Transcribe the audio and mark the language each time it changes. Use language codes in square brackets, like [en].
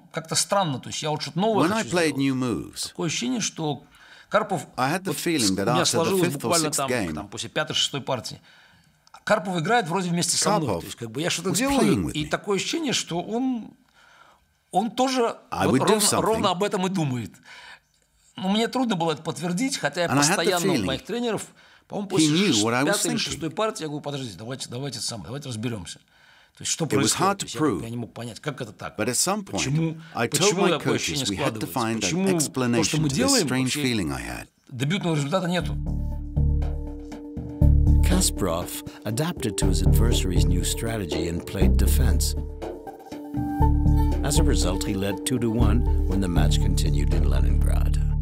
[en] When I played new moves, I had the feeling that after the fifth or sixth game, [ru] Карпов играет вроде вместе со мной, то есть как бы я что-то делаю, и такое ощущение, что он тоже ровно об этом и думает. Но мне трудно было это подтвердить, хотя я постоянно у моих тренеров, по-моему, после пятой или шестой партии, я говорю, подождите, давайте разберемся. То есть что происходит, я не мог понять, как это так? Почему такое ощущение складывается? Почему то, что мы делаем, дебютного результата нету? [en] Kasparov adapted to his adversary's new strategy and played defense. As a result, he led 2-1 when the match continued in Leningrad.